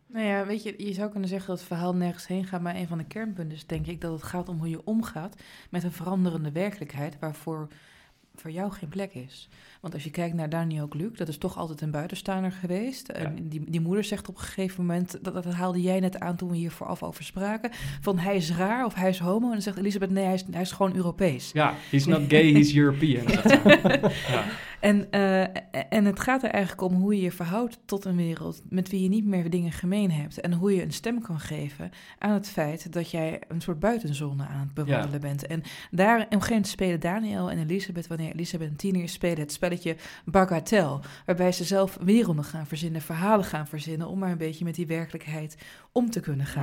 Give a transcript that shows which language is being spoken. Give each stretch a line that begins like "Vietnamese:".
Dutch: Nou ja, weet je, je zou kunnen zeggen dat het verhaal nergens heen gaat, maar een van de kernpunten is denk ik dat het gaat om hoe je omgaat met een veranderende werkelijkheid waarvoor voor jou geen plek is. Want als je kijkt naar Daniel Gluck, dat is toch altijd een buitenstaander geweest. Ja. Die moeder zegt op een gegeven moment, dat haalde jij net aan toen we hier vooraf over spraken, van hij is raar of hij is homo. En dan zegt Elizabeth, nee, hij is gewoon Europees.
English: Ja, he's not gay, he's European.
Dutch: Ja. En het gaat er eigenlijk om hoe je je verhoudt tot een wereld met wie je niet meer dingen gemeen hebt. En hoe je een stem kan geven aan het feit dat jij een soort buitenzone aan het bewandelen, ja, bent. En daar, op een gegeven moment spelen Daniel en Elizabeth, wanneer Elizabeth en tiener spelen, het spelletje Bagatelle, waarbij ze zelf werelden gaan verzinnen, verhalen gaan verzinnen, om maar een beetje met die werkelijkheid om te kunnen gaan.